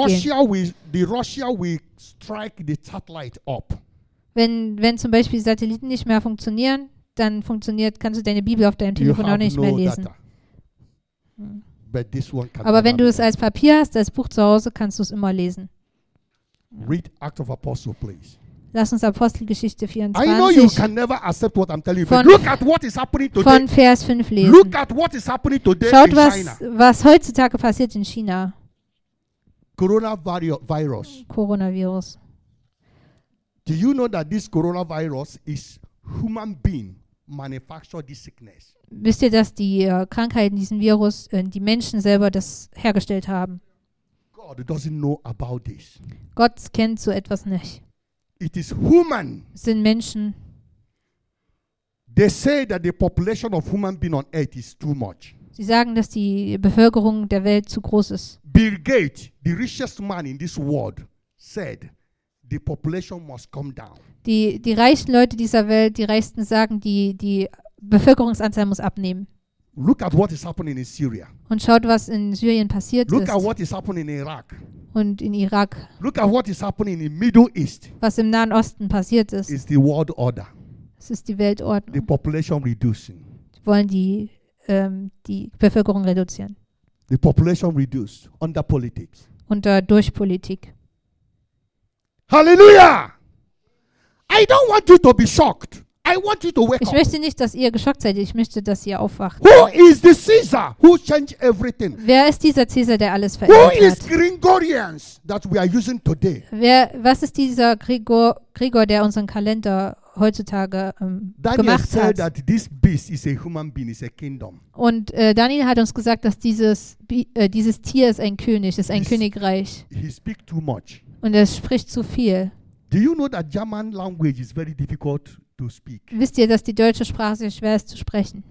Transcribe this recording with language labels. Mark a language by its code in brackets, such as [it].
[de] gehen. [en] The Russia will strike the satellite up. [de] Wenn zum Beispiel Satelliten nicht mehr funktionieren, dann funktioniert, kannst du deine Bibel auf deinem Telefon auch nicht mehr lesen. [en] But this one can. [de] Aber wenn du es als Papier hast, als Buch zu Hause, kannst du es immer lesen. [en] Read Act of Apostle, please. [de] Lass uns Apostelgeschichte 24. [en] I know you can never accept what I'm telling you. Look at what is happening today. [de] Von Vers 5 lesen. [en] Look at what is happening today. [de] Schaut, in was China. Was heutzutage passiert in China. [en] Coronavirus. [de] Coronavirus. [en] Do you know that this coronavirus is human being manufactured this sickness? [de] Wisst ihr, dass die Krankheiten diesen Virus die Menschen selber das hergestellt haben? [en] God doesn't know about this. [de] Gott kennt so etwas nicht. [en] It is human. [de] Sind Menschen. [en] They say that the population of human being on earth is too much. [de] Sie sagen, dass die Bevölkerung der Welt zu groß ist. [en] Bill Gates, the richest man in this world, said the population must come down. [de] Die reichsten Leute dieser Welt, die reichsten sagen, die Bevölkerungsanzahl muss abnehmen. [en] Look at what is happening in Syria. [de] Und schaut, was in Syrien passiert. [en] Look [de] ist. [en] Look at what is happening in Iraq. [de] Und in Irak. [en] Look at what is happening in the Middle East. [de] Was im Nahen Osten passiert ist. [en] Is the world order. [de] Es ist die Weltordnung. [en] The population reducing. [de] Sie wollen die, die Bevölkerung reduzieren. [en] The population reduced under politics. [de] Unter durch Politik. [en] Halleluja! I don't want you to be shocked. I want you to wake [de] ich möchte nicht, dass ihr geschockt seid. Ich möchte, dass ihr aufwacht. [en] Who is the Caesar who changed everything? [de] Wer ist dieser Caesar, der alles verändert hat? [en] Who is Gregorians that we are using today? [de] Was ist dieser Gregor, der unseren Kalender heutzutage gemacht [en] said That this beast is a human being, is a kingdom. [de] Und Daniel hat uns gesagt, dass dieses Tier ist ein König, ist ein Königreich. [en] He speak too much. [de] Und er spricht zu viel. [en] Do you know that German language is very difficult? To speak. [de] Wisst ihr, dass die deutsche Sprache sehr schwer ist zu sprechen?